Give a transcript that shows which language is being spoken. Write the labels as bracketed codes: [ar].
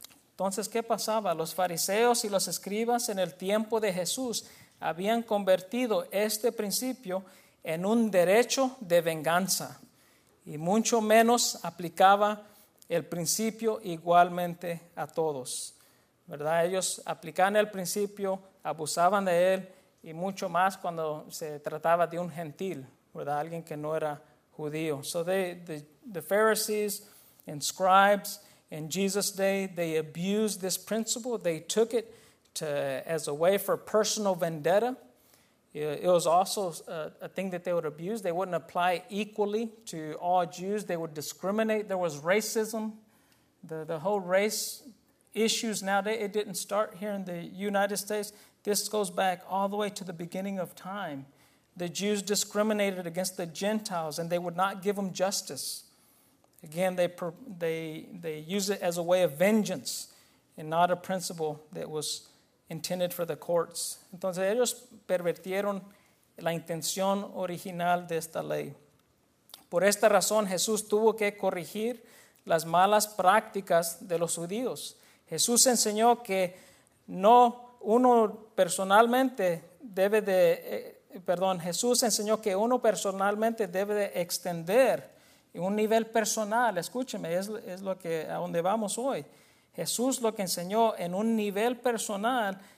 [es] Entonces, ¿qué pasaba? Los fariseos y los escribas en el tiempo de Jesús habían convertido este principio en un derecho de venganza y mucho menos aplicaba el principio igualmente a todos. ¿Verdad? Ellos aplicaban el principio, abusaban de él y mucho más cuando se trataba de un gentil, ¿verdad? Alguien que no era judío. [en] So the Pharisees and scribes in Jesus' day, they abused this principle. They took it as a way for personal vendetta. It was also a thing that they would abuse. They wouldn't apply equally to all Jews. They would discriminate. There was racism. The whole race... issues nowadays, it didn't start here in the United States. This goes back all the way to the beginning of time. The Jews discriminated against the Gentiles and they would not give them justice. Again, they use it as a way of vengeance and not a principle that was intended for the courts. [es] Entonces ellos pervertieron la intención original de esta ley. Por esta razón, Jesús tuvo que corregir las malas prácticas de los judíos. Jesús enseñó que no uno personalmente debe de, perdón, Jesús enseñó que uno personalmente debe de extender un nivel personal, escúcheme, es lo que a donde vamos hoy. Jesús lo que enseñó en un nivel personal